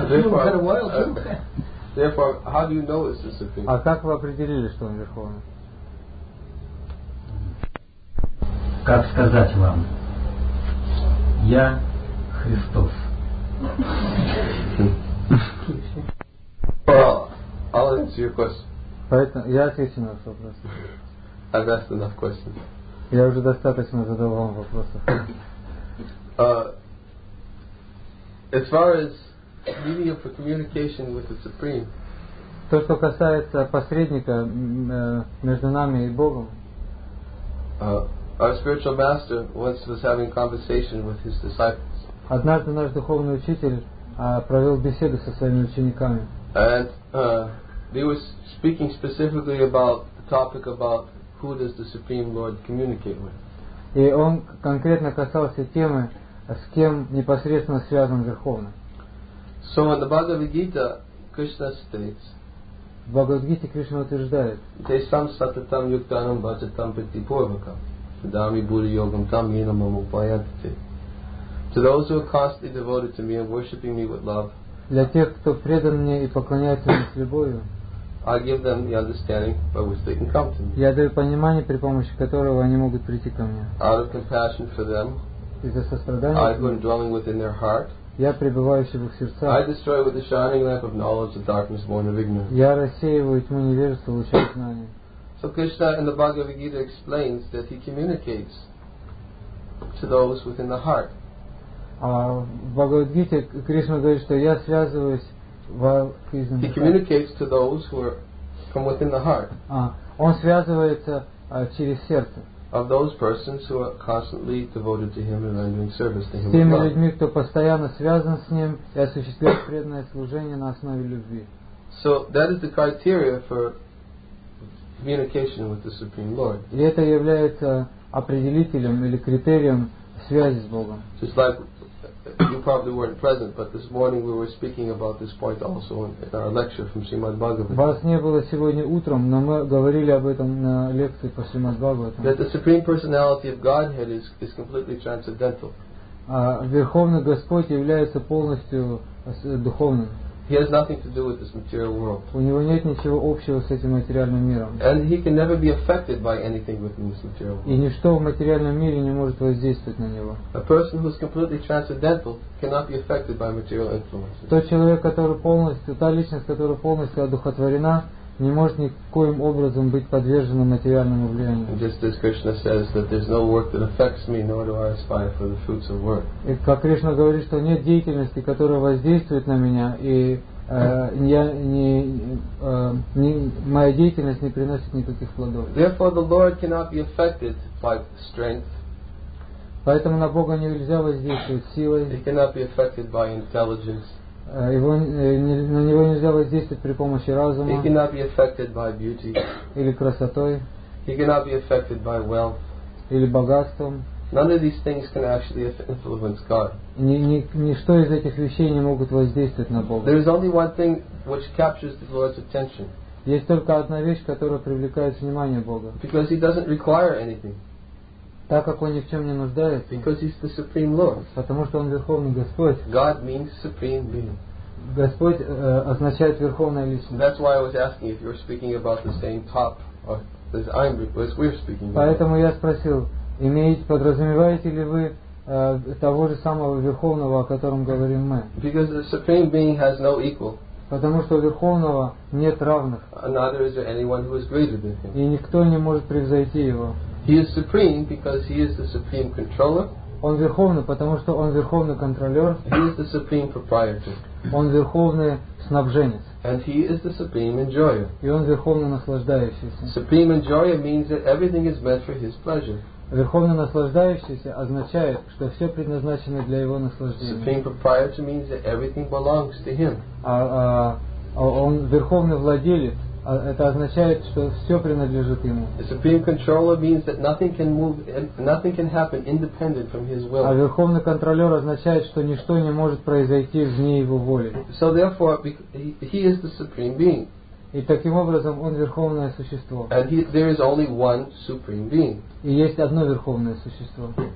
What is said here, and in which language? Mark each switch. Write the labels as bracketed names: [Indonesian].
[English] Therefore, how do you know it's the Supreme? [Russian] А как вы определили, что он Верховный? Как сказать вам? Я Христос. [English] Well, I'll answer your question. [Russian] Поэтому я отвечу на ваш вопрос. [English] I've asked enough questions. [Russian] Я уже достаточно задал вам вопросов. [English] As far as medium for communication with the Supreme. [Russian] То, что касается посредника между нами и Богом. [English] Our spiritual master once was having conversation with his disciples. [Russian] Однажды наш духовный учитель провел беседу со своими учениками. [English] And he was speaking specifically about the topic about who does the Supreme Lord communicate with. [Russian] И он конкретно касался темы, с кем непосредственно связан Верховный. [English] So in the Bhagavad Gita, Krishna states. [Russian] В Бхагавад Гите Кришна утверждает. [Sanskrit] Те сам сататам юктанам бхаджатам прити порвакам. Дами Будда Йогам Там Минамам Упаятти. [English] To those who are constantly devoted to me and worshipping me with love. [Russian] Для тех, кто предан мне и поклоняется мне с любовью. [English] I give them the understanding by which they can come to me. [Russian] Я даю понимание, при помощи которого они могут прийти ко мне. [English] Out of compassion for them. [Russian] Из-за сострадания. [English] I've been dwelling within their heart. [Russian] Я пребывающий в их сердцах. [English] I destroy with the shining lamp of knowledge the darkness born of ignorance. [Russian] Я рассеиваю тьму невежества лучом знания. [English] So Krishna in the Bhagavad Gita explains that he communicates to those within the heart. [Russian] В Бхагавад Гите Кришна говорит, что я связываюсь. [English] He communicates to those who are from within the heart. [Russian] Он связывается через сердце. [English] Of those persons who are constantly devoted to him and rendering service to him. [Russian] С теми людьми, кто постоянно связан с ним и осуществляет преданное служение на основе любви. [English] So that is the criteria for communication with the Supreme Lord. [Russian] И это является определителем или критерием связи с Богом. [English] Just like you probably weren't present, but this morning we were speaking about this point also in our lecture from Srimad Bhagavatam. [Russian] Вас не было сегодня утром, но мы говорили об этом на лекции по Srimad Bhagavatam. [English] That the Supreme Personality of Godhead is completely transcendental. [Russian] Верховный Господь является полностью духовным. [English] He has nothing to do with this material world. [Russian] У него нет ничего общего с этим материальным миром. [English] And he can never be affected by anything within this material world. [Russian] И ничто в материальном мире не может воздействовать на него. [English] A person who is completely transcendental cannot be affected by material influences. [Russian] Тот человек, который полностью, та личность, которая полностью одухотворена, не может никоим образом быть подвержена материальному влиянию. [English] Just as Krishna says that there's no work that affects me, nor do I aspire for the fruits of work. [Russian] И как Кришна говорит, что нет деятельности, которая воздействует на меня, и моя деятельность не приносит никаких плодов. [English] Therefore, the Lord cannot be affected by strength. [Russian] Поэтому на Бога нельзя воздействовать силой. [English] He cannot be affected by intelligence. [Russian] На него нельзя воздействовать при помощи разума. [English] He cannot be affected by beauty. [Russian] Или красотой. [English] He cannot be affected by wealth. [Russian] Или богатством. [English] None of these things can actually influence God. [Russian] Ничто из этих вещей не могут воздействовать на Бога. [English] There is only one thing which captures the Lord's attention. [Russian] Есть только одна вещь, которая привлекает внимание Бога. [English] Because He doesn't require anything. [Russian] Так как Он ни в чем не нуждается. [English] Because He's the Supreme Lord. [Russian] Потому что Он Верховный Господь. [English] God means Supreme Being. [Russian] Господь означает Верховная Личность. [English] That's why I was asking if you're speaking about the same top or as I'm, as we're speaking. [Russian] Поэтому я спросил. Имеете, подразумеваете ли вы того же самого Верховного, о котором говорим мы? [English] Because the Supreme Being has no equal. [Russian] Потому что у Верховного нет равных. [English] Neither is there anyone who is greater than him. [Russian] И никто не может превзойти его. [English] He is supreme because he is the supreme controller. [Russian] Он Верховный, потому что он Верховный контролер. [English] He is the supreme proprietor. [Russian] Он Верховный снабженец. [English] And he is the supreme enjoyer. [Russian] И он Верховный наслаждающийся. [English] Supreme enjoyer means that everything is meant for his pleasure. [Russian] Верховно наслаждающийся означает, что все предназначено для его наслаждения. [English] Supreme proprietor means that everything belongs to him. [Russian] Он верховный владелец, это означает, что все принадлежит ему. [English] Supreme controller means that nothing can move, nothing can happen independent from his will. [Russian] А верховный контролер означает, что ничто не может произойти вне его воли. [English] So therefore, he is the supreme being. [Russian] И таким образом он верховное существо. [English] And he, there is only one supreme being. [Russian] И есть одно верховное существо.